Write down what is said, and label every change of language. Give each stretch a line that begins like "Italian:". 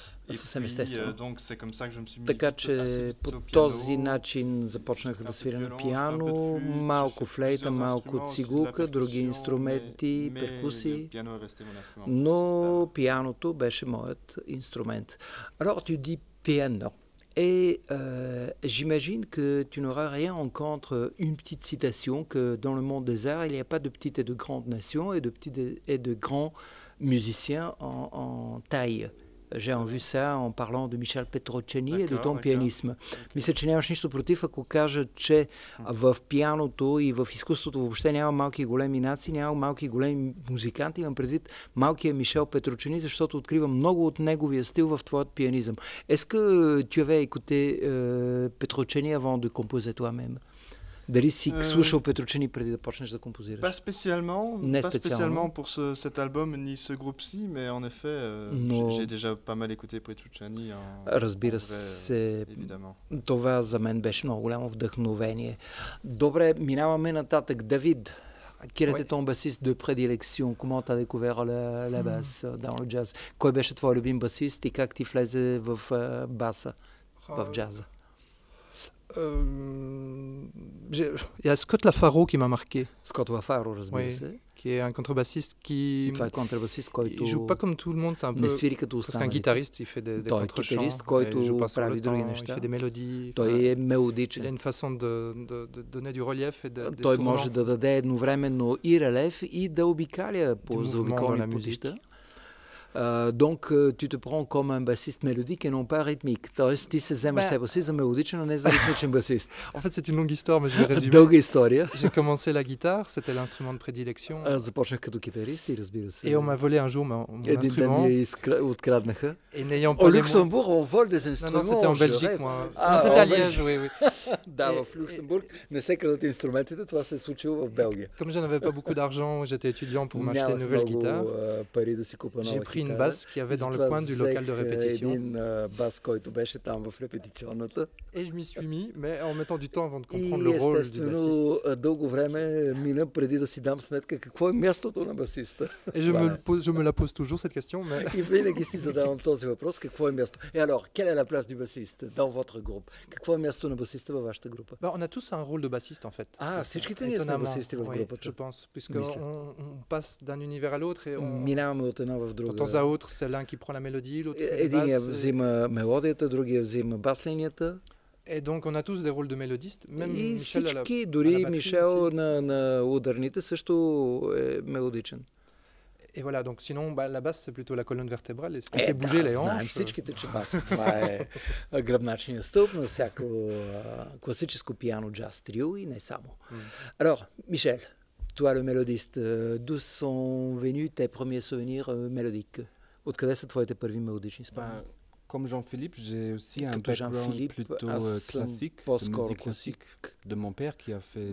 Bulgarian: Съвсем естествено. Така че по този начин започнах да свиря на пиано, малко флейта, малко цигулка, други инструменти, перкуси, но пианото беше моят инструмент.
French: Alors tu dis piano. Et j'imagine que tu n'auras rien en contre une petite citation que dans le monde des arts, il n'y a pas de petites et de grandes nations et de petites et de grands musiciens en taille. J'ai en vu ça en parlant de Michel Petrocelli et de ton pianisme.
Bulgarian: Мисля, че нямаш нищо против, ако кажа, че в пианото и в изкуството въобще няма малки и големи нации, няма малки и големи музиканти. Имам предвид малкия Мишел Петрочени, защото открива много от неговия стил в твоят пианизъм.
French: Est-ce que tu avais écouté Petrocelli avant de composer toi-même?
Bulgarian: Дали си слушал Петрочени преди да почнеш да композираш?
French: Pas spécialement,
Bulgarian: не специално
French: pour cet album ni ce groupe-ci, mais en effet, j'ai déjà pas mal écouté Petrocelli.
Bulgarian: Разбира се, това за мен беше много голямо вдъхновение. Добре, минаваме нататък.
French: Давид, qui était ton bassiste de prédilection? Comment t'as découvert la basse dans le jazz?
Bulgarian: Кой беше твой любим басист и как ти влезе в баса, в джаза?
French: Il y a Scott Lafaro qui m'a marqué.
Bulgarian: Scott Lafaro, разбира се.
French: Qui est un contrebassiste qui...
Bulgarian: Това е контрабасист, който...
French: Il joue pas comme tout le monde, c'est un peu...
Bulgarian: Не свири като останалите.
French: Parce qu'un guitariste, il fait des contrechants.
Bulgarian: Той е китарист, който прави други неща.
French: Il fait des mélodies.
Bulgarian: Той е мелодичен.
French: Il a une façon de donner du relief et de
Bulgarian: tournant. Той може да даде едновременно и релеф и да обикаля по заобиколни пътища.
French: Donc, tu te prends comme un bassiste mélodique et non pas rythmique.
Bulgarian: Тоест, ти се вземаш себе си за мелодичен, а не за ритмичен басист.
French: En fait, c'est une longue histoire, mais je vais résumer.
Bulgarian: Дълга история.
French: J'ai commencé la guitare, c'était l'instrument de prédilection.
Bulgarian: Започнах като китарист и разбира се.
French: Et on m'a volé un jour mon instrument.
Bulgarian: Един ден ми откраднаха.
French: Et n'ayant pas au Luxembourg, on vole des instruments. Non, c'était en Belgique, moi. C'était à Liège, oui.
Bulgarian: Да, в Люксембург не се крадат инструментите, това се е случило в Белгия.
French: Comme je n'avais pas beaucoup d'argent, j'étais étudiant pour m'acheter une nouvelle guitare.
Bulgarian: Пари да си купа нова.
French: une басса qu'il y avait dans le coin du local de répétition.
Bulgarian: Който беше там в репетиционната.
French: Et je m'y suis mis, mais en mettant du temps avant de comprendre le rôle du bassiste.
Bulgarian: Естествено, дълго време мина преди да си дам сметка какво е мястото на басиста.
French: Et je me la pose toujours cette question, mais
Bulgarian: Et винаги си задавам този въпрос, какво е мястото?
French: Et alors, quelle est la place du bassiste dans votre groupe?
Bulgarian: Какво е мястото на басиста във вашата група?
French: Bah, on a tous un rôle de bassiste en fait.
Bulgarian: Ah, всичките ние сме басисти в групата.
French: Je pense puisque on passe d'un univers à l'autre et on
Bulgarian: минаваме от едно в друго.
French: De temps à autre, c'est l'un qui prend la mélodie, l'autre le bass.
Bulgarian: Et взима мелодията, другия взима баслинията.
French: Et donc on a tous des rôles de mélodiste, même
Bulgarian: и Michel всички, дори Мишел на ударните също е мелодичен.
French: Et voilà, donc sinon bah, la basse c'est plutôt la colonne vertébrale, et ce qui fait bouger les hanches.
Bulgarian: Всичките, че баса, това е гръбначният стълб на всяко класическо пиано джаз трио и не само.
French: Alors, Michel, toi le mélodiste, d'où sont venus tes premiers souvenirs mélodiques?
Bulgarian: Откъде са твоите първи мелодични спомени?
French: Comme Jean-Philippe, j'ai aussi un background plutôt classique, de musique classique de mon père qui a fait